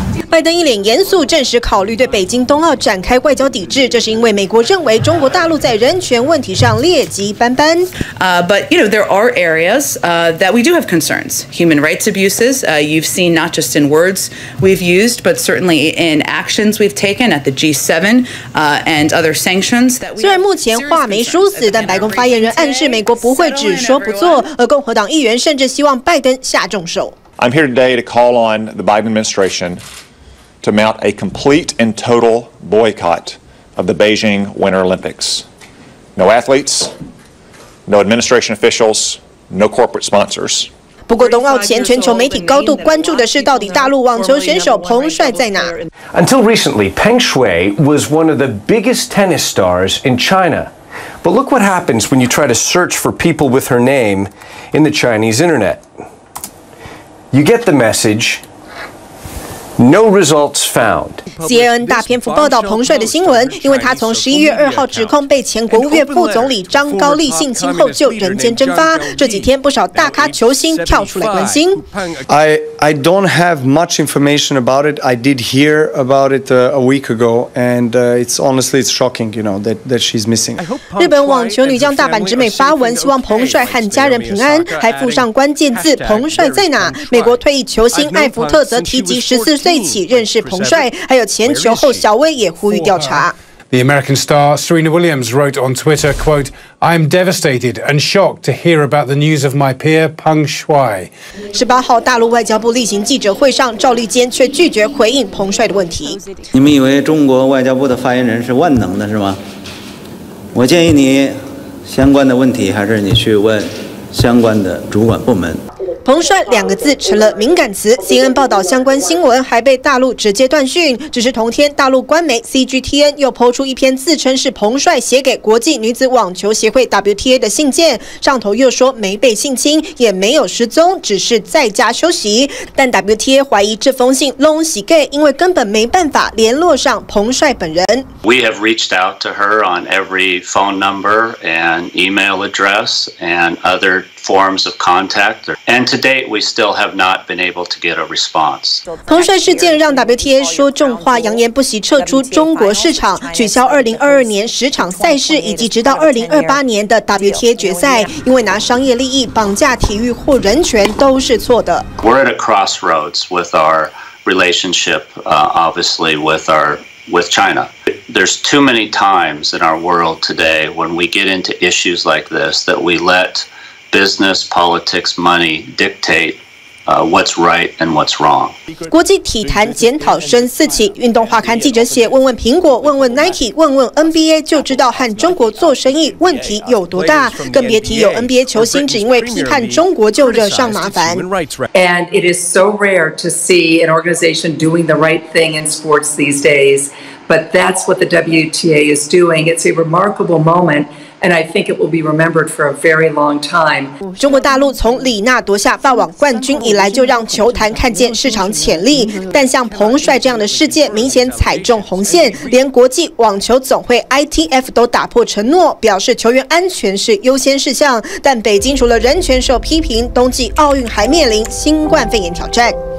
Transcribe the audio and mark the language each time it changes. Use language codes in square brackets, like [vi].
[zh] 拜登一脸严肃，证实考虑对北京冬奥展开外交抵制，这是因为美国认为中国大陆在人权问题上劣迹斑斑。 [en] But you know there are areas that we do have concerns. Human rights abuses, you've seen not just in words we've used, but certainly in actions we've taken at the G7, and other sanctions. [zh] 虽然目前话没说死，但白宫发言人暗示美国不会只说不做，而共和党议员甚至希望拜登下重手。 [en] I'm here today to call on the Biden administration. To mount a complete and total boycott of the Beijing Winter Olympics. No athletes, no administration officials, no corporate sponsors. [zh] 不过冬奥前全球媒体高度关注的是到底大陆网球选手彭帅在哪。 [en] Until recently, Peng Shuai was one of the biggest tennis stars in China. But look what happens when you try to search for people with her name in the Chinese internet. You get the message,No results found. [zh] CNN 大篇幅报道彭帅的新闻，因为他从十一月二号指控被前国务院副总理张高丽性侵后就人间蒸发。这几天不少大咖球星跳出来关心。 [en] I don't have much information about it. I did hear about it a week ago, and it's honestly it's shocking, you know, that she's missing. [zh] 日本网球女将大坂直美发文，希望彭帅和家人平安，还附上关键字“彭帅在哪”。美国退役球星艾福特则提及14岁起认识彭帅，还有前球后小威也呼吁调查。 [en] The American star Serena Williams wrote on Twitter, quote, I'm devastated and shocked to hear about the news of my peer Peng Shuai. [zh] 18号大陆外交部例行记者会上，赵立坚却拒绝回应彭帅的问题。你们以为中国外交部的发言人是万能的是吗？我建议你相关的问题还是你去问相关的主管部门。彭帅两个字成了敏感词， CNN 报道相关新闻还被大陆直接断讯，只是同天大陆官媒 CGTN 又抛出一篇自称是彭帅写给国际女子网球协会 WTA 的信件，上头又说没被性侵也没有失踪，只是在家休息，但 WTA 怀疑这封信拢是假，因为根本没办法联络上彭帅本人。 [en] We have reached out to her on every phone number and email address and other forms of contact. And to date, we still have not been able to get a response. [zh] 彭帅事件让 WTA 说重话，扬言不惜撤出中国市场，取消2022年十场赛事，以及直到2028年的 WTA 决赛，因为拿商业利益绑架体育或人权都是错的。 [en] We're at a crossroads with our relationship, obviously, with China. There's too many times in our world today when we get into issues like this that we let business, politics, money dictate what's right and what's wrong. [zh] 国际体坛检讨声四起，运动画刊记者写，问问苹果，问问 Nike， 问问 NBA， 就知道和中国做生意问题有多大，更别提有 NBA 球星只因为批判中国就惹上麻烦。 [en] And it is so rare to see an organization doing the right thing in sports these days, but that's what the WTA is doing. It's a remarkable moment. And I think it will be remembered for a very long time. [zh] 中国大陆从李娜夺下法网冠军以来，就让球坛看见市场潜力。但像彭帅这样的事件，明显踩中红线，连国际网球总会 ITF 都打破承诺，表示球员安全是优先事项。但北京除了人权受批评，冬季奥运还面临新冠肺炎挑战。